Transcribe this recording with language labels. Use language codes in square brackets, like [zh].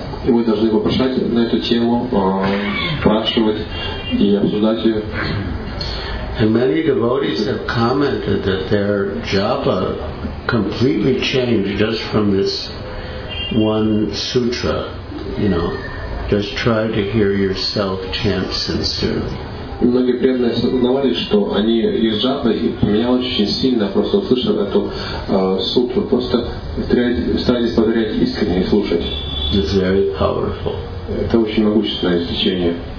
[ru] И вы должны попрошать на эту тему, спрашивать и обсуждать ее. [en] And many devotees have commented that their japa completely changed just from this one sutra. You know, just try to hear yourself chant sincerely. [ru] Многие преданные сознавали, что они из джапы поменяли очень сильно, просто услышав эту сутру. Просто старайтесь повторять искренне и слушать. [en] It's very powerful. [ru] Это очень могущественное изучение.